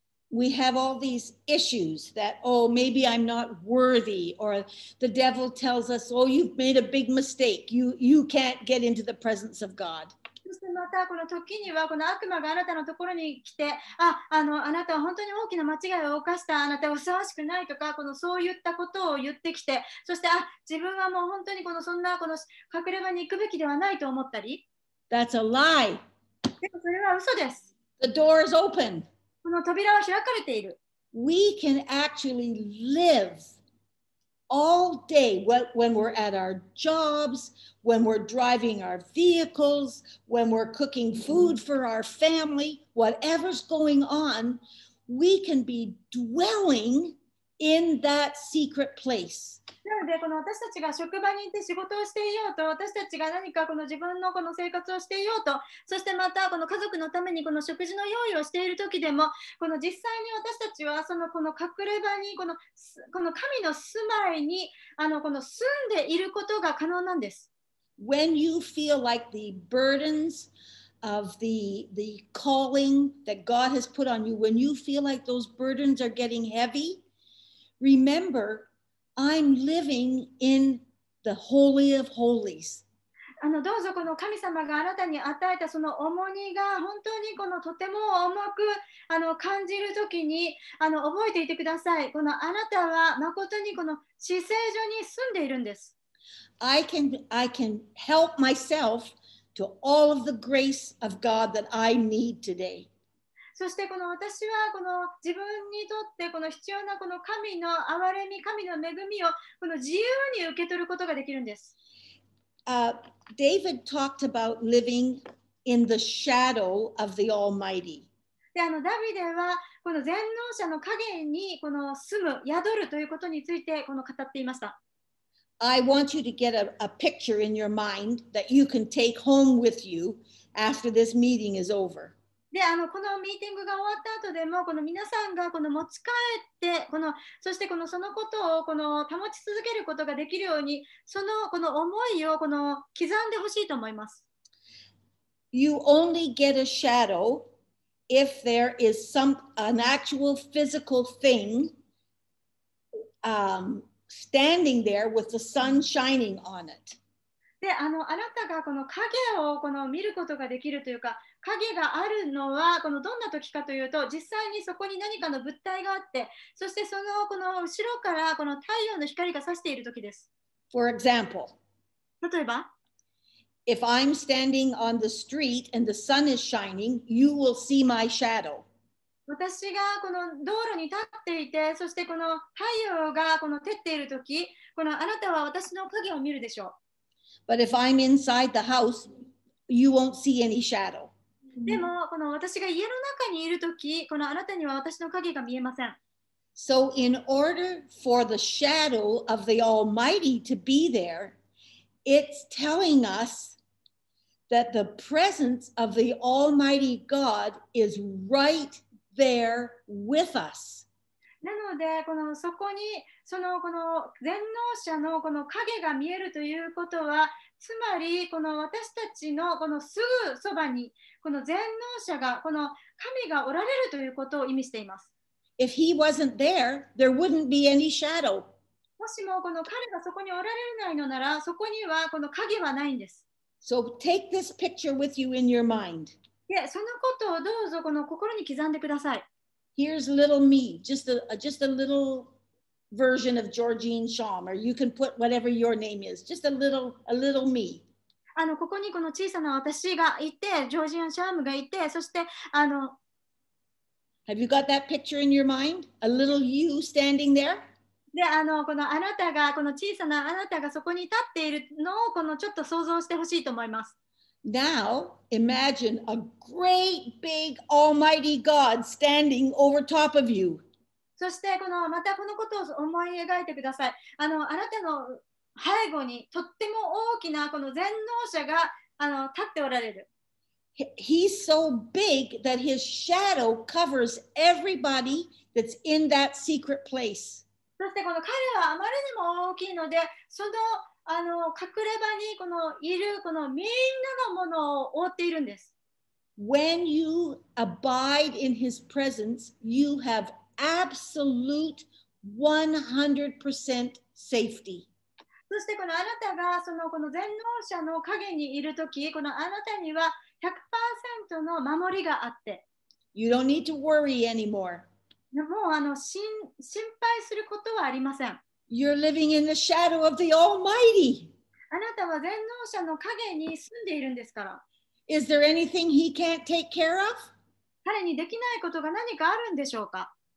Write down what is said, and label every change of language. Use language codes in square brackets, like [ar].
[en] we have all these issues that, oh, maybe I'm not worthy, or the devil tells us, oh, you've made a big mistake. You can't get into the presence of God. [ja] またこの時にはこの悪魔があなたのところに来て、あなたは本当に大きな間違いを犯した、あなたはふさわしくないとか、このそういったことを言ってきて、そして、自分はもう本当にこのそんなこの隠れ場に行くべきではないと思ったり。 [en] That's a lie. [ja] でもそれは嘘です。 [en] The door is open. [ja] この扉は開かれている。 [en] We can actually live all day when we're at our jobs, when we're driving our vehicles, when we're cooking food for our family, whatever's going on, we can be dwelling in that secret place. [ja] なのでこの私たちが職場にいて仕事をしていようと、私たちが何かこの自分のこの生活をしていようと、そしてまたこの家族のためにこの食事の用意をしている時でも、この実際に私たちはそのこの隠れ場にこの神の住まいにこの住んでいることが可能なんです。 [en] When you feel like the burdens of the calling that God has put on you, when you feel like those burdens are getting heavy, remember. I'm living in the Holy of Holies. [ja] どうぞこの神様があなたに与えたその重荷が本当にこのとても重く感じるときに覚えていてください。このあなたは誠にこの至聖所に住んでいるんです。 [en] I can help myself to all of the grace of God that I need today. [ja] そしてこの私はこの自分にとってこの必要なこの神の憐れみ、神の恵みをこの自由に受け取ることができるんです。 [en] David talked about living in the shadow of the Almighty. [ja] で、ダビデはこの全能者の影にこの住む、宿るということについてこの語っていました。 [en] I want you to get a picture in your mind that you can take home with you after this meeting is over. [ja] でこのミーティングが終わった後でもこの皆さんがこの持ち帰ってこのそしてこのそのことをこの保ち続けることができるようにそのこの思いをこの刻んでほしいと思います。 [en] You only get a shadow if there is an actual physical thing, standing there with the sun shining on it. [ja] で、あなたがこの影をこの見ることができるというか、影があるのはこのどんな時かというと、実際にそこに何かの物体があって、そしてそのこの後ろからこの太陽の光が差している時です。 [en] For example, [ja] 例えば、 [en] If I'm standing on the street and the sun is shining, you will see my shadow. [ja] 私がこの道路に立っていて、そしてこの太陽がこの照っている時、このあなたは私の影を見るでしょう。 [en] But if I'm inside the house, you won't see any shadow. [ja] でもこの私が家の中にいるとき、このあなたには私の影が見えません。 [en] So in order for the shadow of the Almighty to be there, it's telling us that the presence of the Almighty God is right there with us. [ja] なのでこのそこにそのこの全能者のこの影が見えるということはつまりこの私たちのこのすぐそばにこの全能者がこの神がおられるということを意味しています。 [en] If he wasn't there, there wouldn't be any shadow. [ja] もしもこの彼がそこにおられないのならそこにはこの影はないんです。 [en] So take this picture with you in your mind. [ja] で、そのことをどうぞこの心に刻んでください。 [en] Here's little me, just a little version of Georgine Shaw, or you can put whatever your name is, just a little me. [ja] ここにこの小さな私がいて、ジョージアン・シャームがいて、そして、 [en] Have you got that picture in your mind? A little you standing there? [ja] で、このあなたが、この小さなあなたがそこに立っているのを、このちょっと想像してほしいと思います。 [en] Now, imagine a great big almighty God standing over top of you. [ja] そしてこのまたこのことを思い描いてください。あなたの背後にとっても大きなこの全能者が立っておられる。 [en] He's so big that his shadow covers everybody that's in that secret place. [ja] そしてこの彼はあまりにも大きいので、その隠れ場にこのいるこのみんなのものを覆っているんです。 [en] When you abide in his presence, you have absolute 100% safety. [ja] そしてこのあなたがこの全能者の陰にいるとき、このあなたには 100% の守りがあって。 [en] You don't need to worry anymore. [ja] もう心配することはありません。 [en] You're living in the shadow of the Almighty. [ja] あなたは全能者の陰に住んでいるんですから。 [en] Is there anything he can't take care of? [ja] 彼にできないことが何かあるんでしょうか?